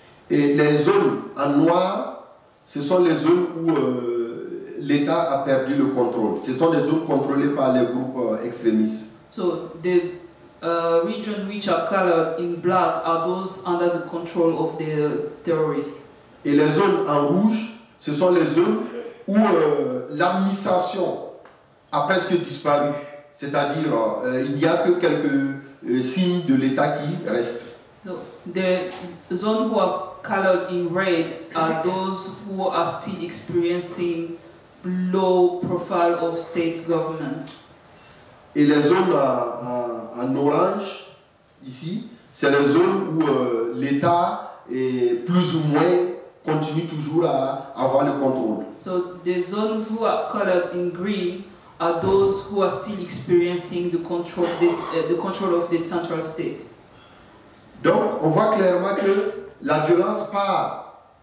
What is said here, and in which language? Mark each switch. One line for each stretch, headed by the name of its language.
French: Et les zones en noir, ce sont les zones où l'État a perdu le contrôle. Ce sont les zones contrôlées par les groupes extrémistes.
English: So the regions which are colored in black are those under the control of the terrorists.
French: Et les zones en rouge, ce sont les zones où l'administration a presque disparu. C'est-à-dire, il n'y a que quelques signes de l'État qui restent.
English: So, the zones who are colored in red are those who are still experiencing low profile of state government.
French: Et les zones en orange, ici, c'est les zones où l'État est plus ou moins continue toujours à avoir le contrôle.
English: So, the zones who are colored in green are those who are still experiencing the control of the central state.
French: Donc, on voit clairement que la violence part